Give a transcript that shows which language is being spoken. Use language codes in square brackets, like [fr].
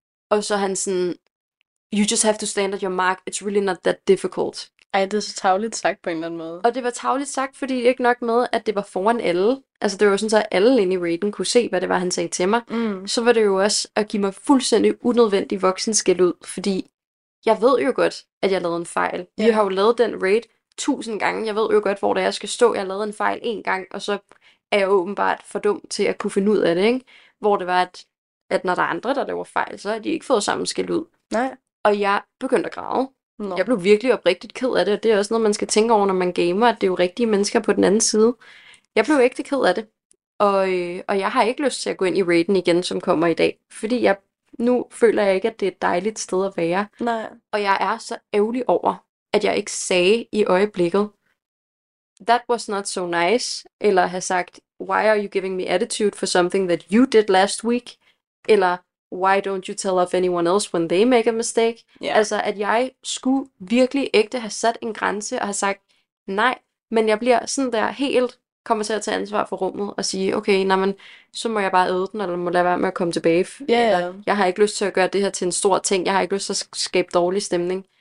[da] Og så han sådan, [en] you just have to stand at your mark, it's really not that difficult. [da] Ej, det er så tavligt sagt på en eller anden måde. Og det var tavligt sagt, fordi ikke nok med, at det var foran alle. Altså, det var jo sådan, så alle inde i raiden kunne se, hvad det var, han sagde til mig. Mm. Så var det jo også at give mig fuldstændig unødvendig voksenskæld ud, fordi jeg ved jo godt, at jeg lavede en fejl. [en] Yeah. [da] Vi har jo lavet den raid 1000 gange. Jeg ved jo godt, hvor det er, jeg skal stå. Jeg lavede en fejl 1 gang, og så er jeg åbenbart for dum til at kunne finde ud af det, ikke? Hvor det var, at når der er andre, der laver fejl, så har de ikke fået samme skæld ud. Nej. Og jeg begyndte at grave. [en] No. [da] Jeg blev virkelig oprigtigt ked af det, og det er også noget, man skal tænke over, når man gamer, at det er jo rigtige mennesker på den anden side. Jeg blev ægte ked af det, og jeg har ikke lyst til at gå ind i raiden igen, som kommer i dag, fordi nu føler jeg ikke, at det er et dejligt sted at være. Nej. Og jeg er så ærgerlig over, at jeg ikke sagde i øjeblikket, [en] that was not so nice, [da] eller have sagt, [en] why are you giving me attitude for something that you did last week, [da] eller [en] why don't you tell off anyone else when they make a mistake? Yeah. [da] Altså, at jeg skulle virkelig ægte have sat en grænse og have sagt nej, men jeg bliver sådan der helt, kommer til at tage ansvar for rummet og sige, okay, nej, men, så må jeg bare æde den, eller må lade være med at komme tilbage. [en] Yeah. [da] Eller, jeg har ikke lyst til at gøre det her til en stor ting. Jeg har ikke lyst til at skabe dårlig stemning.